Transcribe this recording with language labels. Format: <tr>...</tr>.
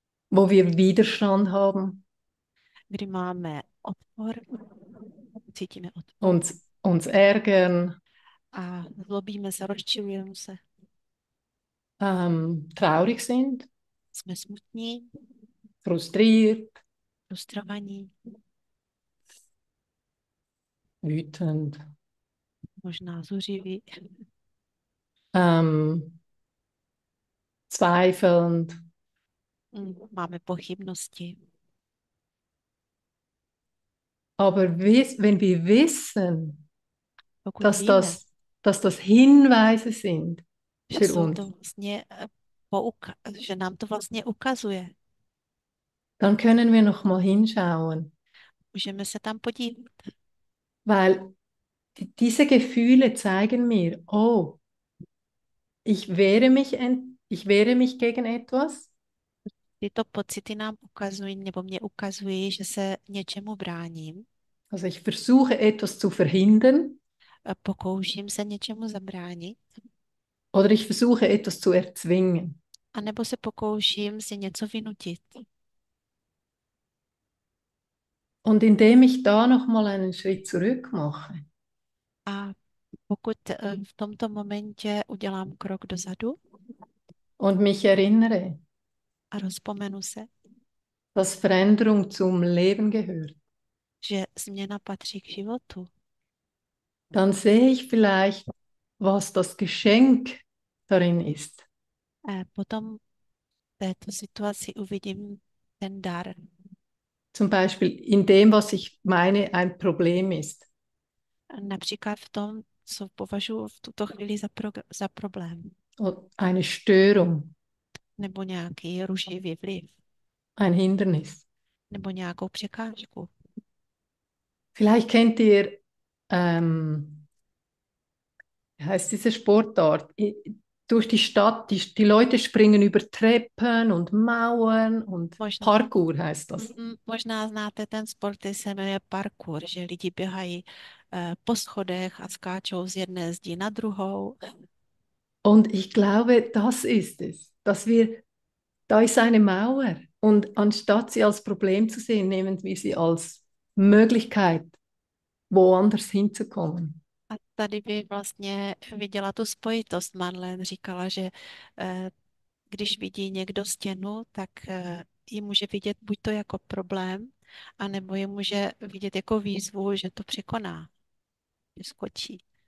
<de>wo wir Widerstand haben,</de> <cs>kdy máme odpor, cítíme odpor</cs> <de>uns ärgern,</de> <cs>a zlobíme se, rozčilujeme se.</cs> <de>traurig sind,</de> <cs>Jsme smutní,</cs> <de>frustriert,</de> <cs>frustrovaní,</cs> <de>wütend.</de> <cs>možná zuřiví.</cs> <de>Zweifelnd.</de> <cs>Máme pochybnosti.</cs> <de>Aber wenn wir wissen,</de> <cs>Pokud víme,</cs> <de>dass das Hinweise sind</de> <cs>že</cs> <de>für</de> <cs>jsou</cs> <de>uns,</de> <cs>to vlastně že nám to vlastně ukazuje.</cs> <de>dann können wir noch mal hinschauen,</de> <cs>Můžeme se tam podívat.</cs> <de>weil diese Gefühle zeigen mir, oh, ich wehre mich gegen etwas.</de> <cs>Tyto pocity nám ukazují, nebo mě ukazují, že se něčemu bráním.</cs> <de>Also ich versuche etwas zu verhindern.</de> <cs>Pokouším se něčemu zabránit.</cs> <de>Oder ich versuche etwas zu erzwingen.</de> <cs>A nebo se pokouším si něco vynutit.</cs> <de>Und indem ich da noch mal einen Schritt zurück mache,</de> <cs>A pokud v tomto momentě udělám krok dozadu</cs> <de>und mich erinnere,</de> <cs>a rozpomenu se,</cs> <de>dass Veränderung zum Leben gehört,</de> <cs>že změna patří k životu,</cs> <de>dann sehe ich vielleicht, was das Geschenk darin ist.</de> <cs>potom této situaci uvidím ten dar.</cs> <de>Zum Beispiel in dem, was ich meine, ein Problem ist.</de> <cs>Například v tom, co považuji v tuto chvíli za problém.</cs> <de>Eine Störung,</de> <cs>Nebo nějaký ruživý vliv.</cs> <de>ein Hindernis.</de> <cs>Nebo nějakou překážku.</cs> <de>Vielleicht kennt ihr, wie heißt diese Sportart? Durch die Stadt, die Leute springen über Treppen und Mauern und</de> <cs>Možná</cs> <de>Parkour heißt das.</de> <cs>znáte ten sport, který se jmenuje parkour, že lidi běhají po schodech a skáčou z jedné zdi na druhou.</cs> <de>Und ich glaube, das ist es, dass wir, da ist eine Mauer. Und anstatt sie als Problem zu sehen, nehmen wir sie als Möglichkeit, woanders hinzukommen.</de> <cs>A tady by vlastně viděla tu spojitost. Madeleine říkala, že když vidí někdo stěnu, tak ji může vidět buď to jako problém, anebo ji může vidět jako výzvu, že to překoná, že skočí.</cs>